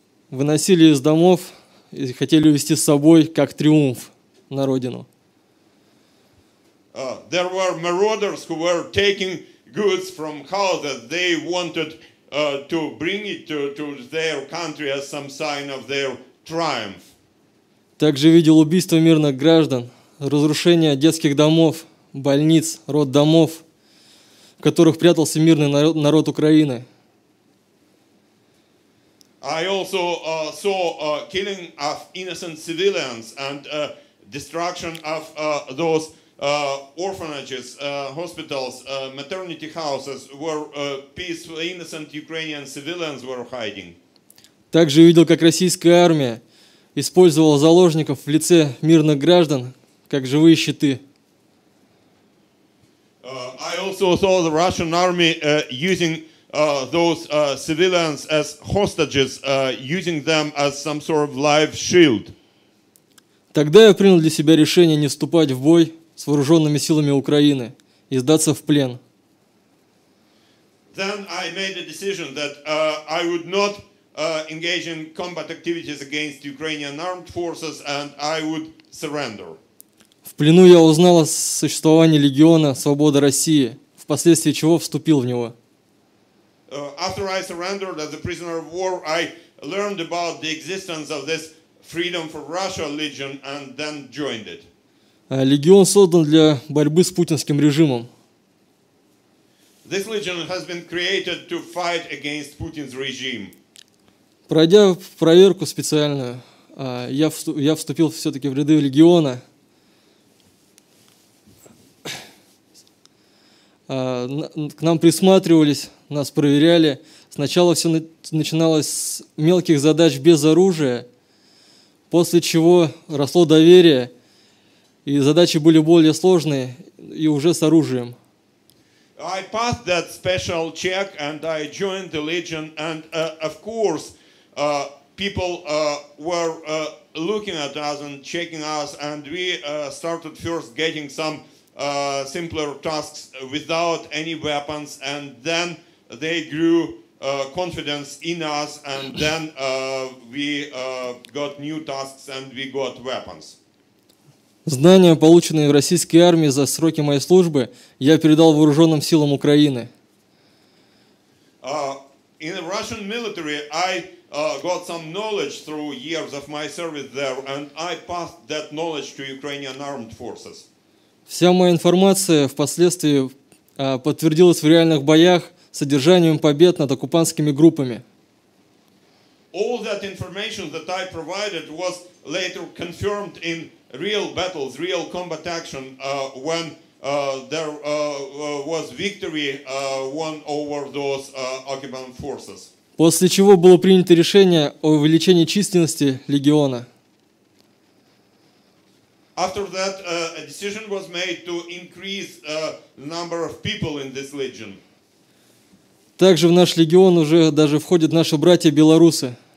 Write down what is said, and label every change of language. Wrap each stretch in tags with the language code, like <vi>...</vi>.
<ru>Выносили из домов и хотели увезти с собой как триумф на родину.</ru> <en>There were marauders who were taking goods from houses. They wanted to bring it to their country as some sign of their triumph.</en> <ru>Также видел убийство мирных граждан, разрушение детских домов, больниц, роддомов, в которых прятался мирный народ Украины.</ru> <en>I also saw killing of innocent civilians and destruction of those orphanages, hospitals, maternity houses, where peaceful, innocent Ukrainian civilians were hiding.</en> <ru>Также видел, как российская армия использовала заложников в лице мирных граждан как живые щиты.</ru> <en>I also saw the Russian army using those civilians as hostages, using them as some sort of life shield.</en> <ru>Тогда я принял для себя решение не вступать в бой с вооруженными силами Украины и сдаться в плен.</ru> <en>Then I made a decision that I would not engage in combat activities against Ukrainian armed forces and I would surrender.</en> <ru>В плену я узнал о существовании легиона «Свобода России», впоследствии чего вступил в него.</ru> <en>After I surrendered as a prisoner of war, I learned about the existence of this Freedom for Russia Legion and then joined it.</en> <ru>Легион создан для борьбы с путинским режимом.</ru> <en>This legion has been created to fight against Putin's regime.</en> <ru>Пройдя проверку специальную, я вступил все-таки в ряды легиона. К нам присматривались, нас проверяли. Сначала все начиналось с мелких задач без оружия, после чего росло доверие. И задачи были более сложные, и уже с оружием.</ru> <en>I passed that special check and I joined the legion and of course people were looking at us and checking us and we started first getting some simpler tasks without any weapons and then they grew confidence in us and then we got new tasks and we got weapons.</en> <ru>Знания, полученные в российской армии за сроки моей службы, я передал вооруженным силам Украины.</ru> <en>In the Russian military, I got some knowledge through years of my service there, and I passed that knowledge to Ukrainian armed forces.</en> <ru>Вся моя информация впоследствии подтвердилась в реальных боях с одержанием побед над оккупантскими группами.</ru> <en>All that information that I provided was later confirmed in real battles, real combat action, when there was victory won over those occupant forces.</en> <ru>После чего было принято решение о увеличении численности легиона.</ru> <en>After that, a decision was made to increase the number of people in this legion.</en> <ru>Также в наш легион уже даже входят наши братья белорусы.</ru>